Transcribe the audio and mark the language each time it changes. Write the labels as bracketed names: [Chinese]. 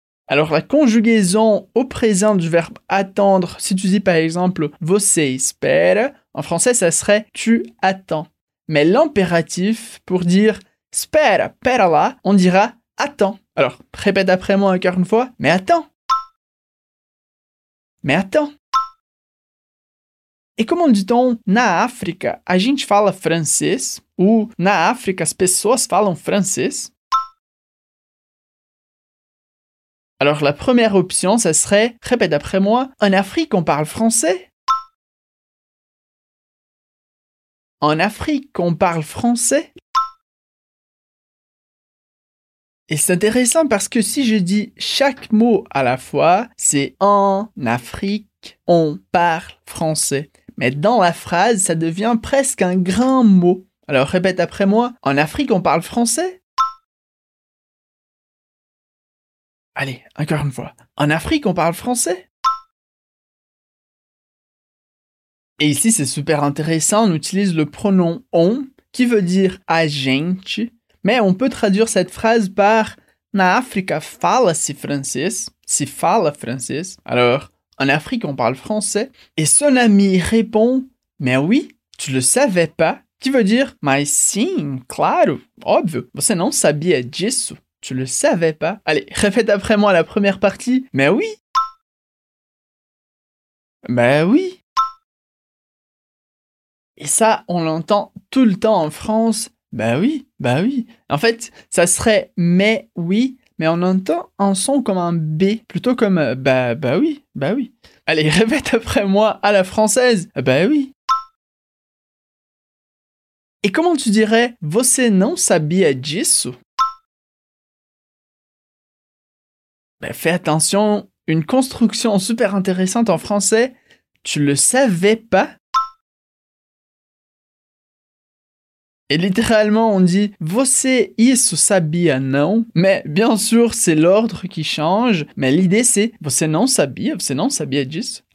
[French] Alors la conjugaison au présent du verbe attendre, si tu dis par exemple [Portuguese] você espera, [French] en français ça serait tu attends. Mais l'impératif pour dire [Portuguese] espera, espera [French] là, on dira attends. Alors répète après moi encore une fois, mais attends. Mais attends. [Portuguese] E como [French] dit-on, [Portuguese] na África, a gente fala francês? Ou na África, as pessoas falam francês? [French] Alors, la première option, ça serait, répète après moi, en Afrique, on parle français? En Afrique, on parle français? Et c'est intéressant parce que si je dis chaque mot à la fois, c'est en Afrique, on parle français. Mais dans la phrase, ça devient presque un grand mot. Alors répète après moi, en Afrique, on parle français? Allez, encore une fois, en Afrique, on parle français? Et ici, c'est super intéressant, on utilise le pronom on, qui veut dire [Portuguese] a gente. [French] Mais on peut traduire cette phrase par « [Portuguese] Na Africa fala-se francês »« Se fala francês [French] » Alors, en Afrique, on parle français. Et son ami répond « Mais oui, tu le savais pas ?» [Portuguese] Qui veut dire « Mas sim, claro, óbvio, você não sabia disso ?»« [French] Tu le savais pas ?» Allez, refaites après moi la première partie. « Mais oui !»« Mais oui !» Et ça, on l'entend tout le temps en France. Bah oui, bah oui. En fait, ça serait mais oui, mais on entend un son comme un B, plutôt comme bah oui, bah oui. Allez, répète après moi à la française. Bah oui. Et comment tu dirais [Portuguese] você não sabia disso? [French] Bah fais attention, une construction super intéressante en français. Tu le savais pas? Et littéralement, on dit « [Portuguese] Você isso sabia não ?» [French] Mais bien sûr, c'est l'ordre qui change. Mais l'idée, c'est « [Portuguese] Você não sabia disso ?»